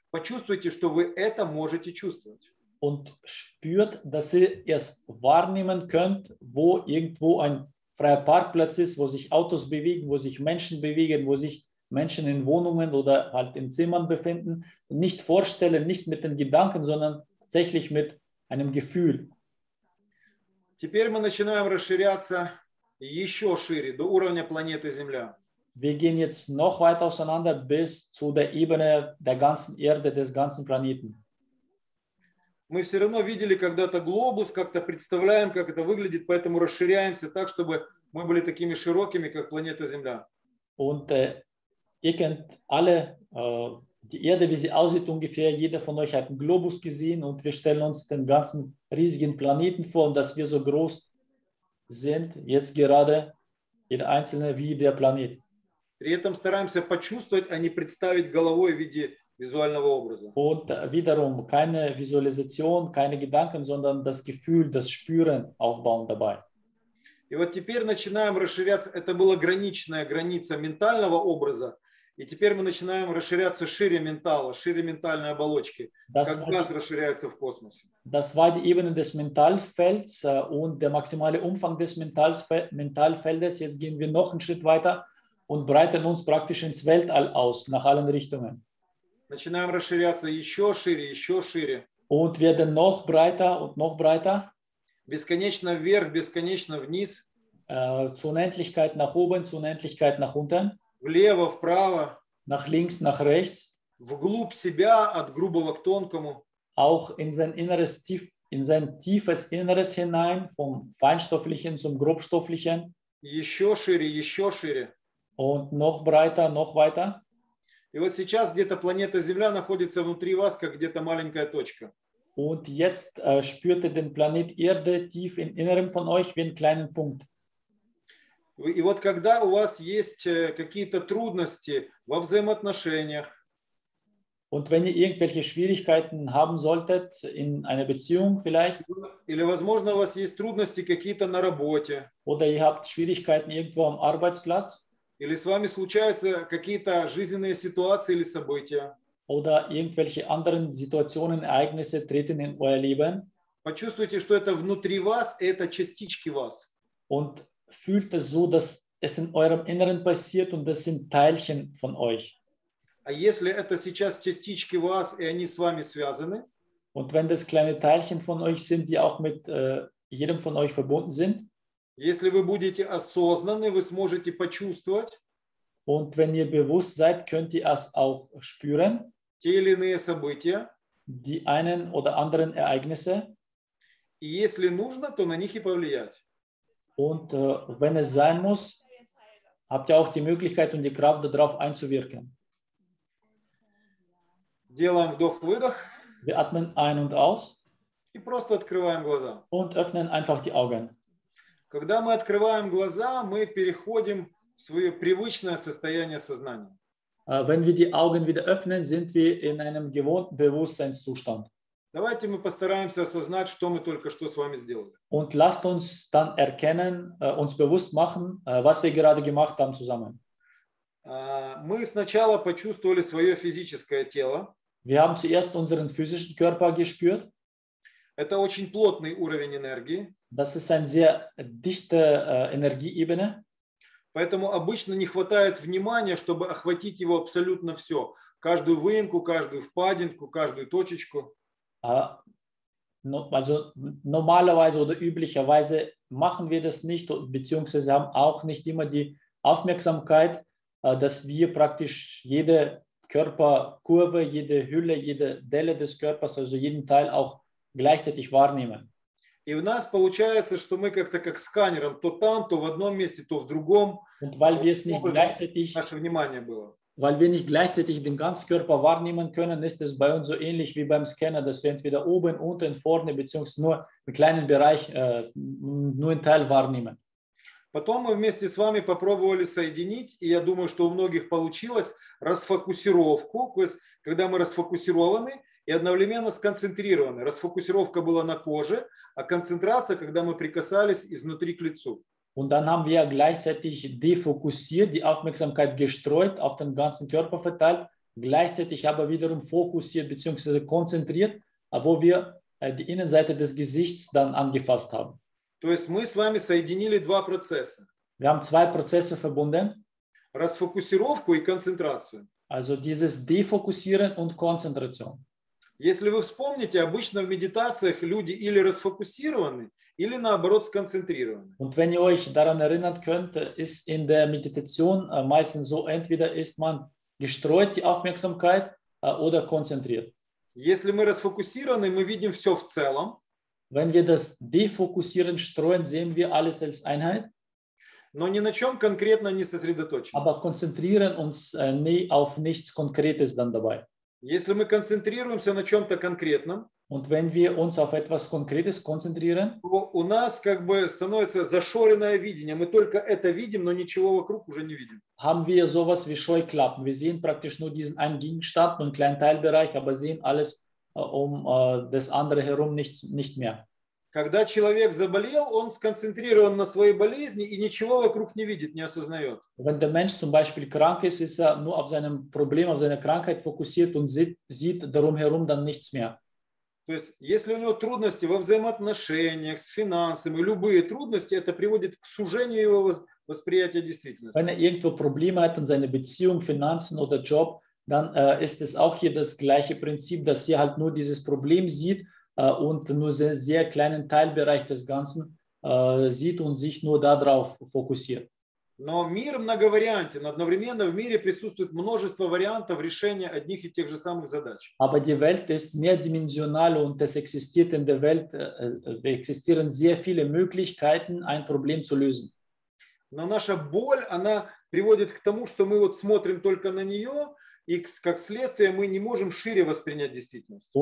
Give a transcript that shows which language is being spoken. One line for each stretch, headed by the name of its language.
Russian: Почувствуйте, что вы это можете чувствовать.
German: Und spürt, dass ihr es wahrnehmen könnt, wo irgendwo ein freier Parkplatz ist, wo sich Autos bewegen, wo sich Menschen bewegen, wo sich Menschen in Wohnungen oder halt in Zimmern befinden, nicht vorstellen, nicht mit den Gedanken, sondern tatsächlich mit einem Gefühl.
Russian: Теперь мы начинаем расширяться еще шире, до уровня планеты Земля.
German: Wir gehen jetzt noch weiter auseinander bis zu der Ebene der ganzen Erde, des ganzen Planeten.
Russian: Мы все равно видели когда-то глобус, как-то представляем, как это выглядит, поэтому расширяемся так, чтобы мы были такими широкими, как планета Земля.
German: Und ihr kennt alle die Erde, wie sie aussieht ungefähr. Jeder von euch hat einen Globus gesehen und wir stellen uns den ganzen riesigen Planeten vor und dass wir so groß sind, jetzt gerade jeder Einzelne wie der Planet.
Russian: При этом стараемся почувствовать, а не представить головой в виде визуального образа.
German: Und wiederum keine Visualisation, keine Gedanken, sondern das Gefühl, das Spüren aufbauen dabei.
Russian: И вот теперь начинаем расширяться. Это была граничная граница ментального образа. И теперь мы начинаем расширяться шире ментала, шире ментальной оболочки. Как газ расширяется в космосе.
German: Das war die Ebene des Mentalfelds und der maximale Umfang des Mentalfeldes. Jetzt gehen wir noch einen Schritt weiter und breiten uns praktisch ins Weltall aus, nach allen Richtungen.
Russian: Начинаем расширяться еще шире, еще шире.
German: Und werden noch breiter und noch breiter.
Russian: Бесконечно вверх, бесконечно вниз.
German: Zur Unendlichkeit nach oben, zur Unendlichkeit nach unten.
Russian: Влево, вправо.
German: Nach links, nach rechts.
Russian: Вглубь себя, от грубого к тонкому.
German: Auch in sein inneres, in sein tiefes Inneres hinein, vom Feinstofflichen zum Grobstofflichen.
Russian: Еще шире, еще шире.
German: Und noch breiter, noch weiter.
Russian: И вот сейчас где-то планета Земля находится внутри вас, как где-то маленькая точка.
German: Und jetzt spürt ihr den Planet Erde tief im Inneren von euch wie einen kleinen Punkt.
Russian: И вот когда у вас есть какие-то трудности во взаимоотношениях.
German: Und wenn ihr irgendwelche Schwierigkeiten haben solltet in einer Beziehung vielleicht.
Russian: Или, возможно, у вас есть трудности какие-то на работе.
German: Oder ihr habt Schwierigkeiten irgendwo am Arbeitsplatz.
Russian: Или с вами случаются какие-то жизненные ситуации или события.
German: Oder irgendwelche anderen Situationen, Ereignisse treten in euer Leben.
Russian: Почувствуйте, что это внутри вас, это частички вас.
German: Und fühlt es so, dass es in eurem Inneren passiert und das sind Teilchen von euch.
Russian: А если это сейчас частички вас, и они с вами связаны?
German: Und wenn das kleine Teilchen von euch sind, die auch mit jedem von euch verbunden sind?
Russian: Если вы будете осознанны, вы сможете почувствовать.
German: Und wenn ihr bewusst seid, könnt ihr es auch spüren.
Russian: Те или иные события.
German: Die einen oder anderen Ereignisse.
Russian: И если нужно, то на них и повлиять.
German: Und wenn es sein muss, habt ihr auch die Möglichkeit und die Kraft darauf einzuwirken.
Russian: Делаем вдох-выдох.
German: Wir atmen ein und aus.
Russian: И просто открываем глаза.
German: Und öffnen einfach die Augen.
Russian: Когда мы открываем глаза, мы переходим в свое привычное состояние сознания.
German: Wenn wir die Augen wieder öffnen, sind wir in einem gewohnten Bewusstseinszustand.
Russian: Давайте мы постараемся осознать, что мы только что с вами сделали.
German: Und lasst uns dann erkennen, uns bewusst machen, was wir gerade gemacht haben zusammen.
Russian: Мы сначала почувствовали свое физическое тело.
German: Wir haben zuerst unseren physischen Körper gespürt.
Russian: Это очень плотный уровень энергии.
German: Das ist eine sehr dichte Energieebene.
Russian: Поэтому обычно не хватает внимания, чтобы охватить его абсолютно все. Каждую выемку, каждую впадинку, каждую точечку.
German: Also normalerweise oder üblicherweise machen wir das nicht, beziehungsweise haben auch nicht immer die Aufmerksamkeit, dass wir praktisch jede Körperkurve, jede Hülle, jede Delle des Körpers, also jeden Teil auch gleichzeitig wahrnehmen.
Russian: И у нас получается, что мы как-то как сканером, то там, то в одном месте, то в другом.
German: Und weil wir es nicht gleichzeitig,
Russian: наше внимание было.
German: Weil wir nicht gleichzeitig den ganzen Körper wahrnehmen können, ist es bei uns so ähnlich wie beim Scanner, dass wir entweder oben, unten, vorne, beziehungsweise nur einen kleinen Bereich, nur einen Teil wahrnehmen.
Russian: Потом мы вместе с вами попробовали соединить, и я думаю, что у многих получилось, расфокусировку, то есть, когда мы расфокусированы и одновременно сконцентрированы. Расфокусировка была на коже, а концентрация, когда мы прикасались изнутри к лицу.
German: Und dann haben wir gleichzeitig defokussiert, die Aufmerksamkeit gestreut, auf den ganzen Körper verteilt, gleichzeitig aber wiederum fokussiert bzw. konzentriert, wo wir die Innenseite des Gesichts dann angefasst haben.
Russian: То есть мы с вами соединили два процесса.
German: Wir haben zwei Prozesse verbunden.
Russian: Расфокусировку и концентрацию.
German: Also dieses Defokussieren und Konzentration.
Russian: Если вы вспомните, обычно в медитациях люди или расфокусированы, или наоборот сконцентрированы.
German: Und wenn ihr euch daran erinnern könnt, ist in der Meditation meistens so, entweder ist man gestreut die Aufmerksamkeit oder konzentriert.
Russian: Если мы расфокусированы, мы видим все в целом.
German: Wenn wir das defokussieren, streuen, sehen wir alles als Einheit.
Russian: Но ни на чем конкретно не сосредоточены.
German: Aber konzentrieren uns nie auf nichts Konkretes dann dabei.
Russian: Если мы концентрируемся на чем-то конкретном,
German: und wenn wir uns auf etwas Konkretes konzentrieren,
Russian: то у нас как бы становится зашоренное видение. Мы только это видим, но ничего вокруг уже не видим.
German: Haben wir sowas wie Scheuklappen. Wir sehen praktisch nur diesen einen Gegenstand, nur einen kleinen Teilbereich, aber sehen alles um das andere herum nicht mehr.
Russian: Когда человек заболел, он сконцентрирован на своей болезни и ничего вокруг не видит, не осознает.
German: Wenn der Mensch zum Beispiel krank ist, ist er nur auf seinem Problem, auf seine Krankheit fokussiert und sieht darum herum dann nichts mehr.
Russian: То есть, если у него трудности во взаимоотношениях, с финансами, любые трудности, это приводит к сужению его восприятия действительности.
German: Wenn er irgendwo Probleme hat in seiner Beziehung, Finanzen oder Job, dann ist es auch hier das gleiche Prinzip, dass er halt nur dieses Problem sieht, und nur sehr, sehr kleinen Teilbereich des Ganzen sieht und sich nur darauf fokussiert.
Russian: Но мир многовариантен. Одновременно в мире присутствует множество вариантов решения одних и тех же самых задач.
German: Aber die Welt ist mehrdimensional und es existiert in der Welt, existieren sehr viele Möglichkeiten, ein Problem zu lösen.
Russian: Но наша боль, она приводит к тому, что мы вот смотрим только на нее, и как следствие мы не можем шире воспринять действительность.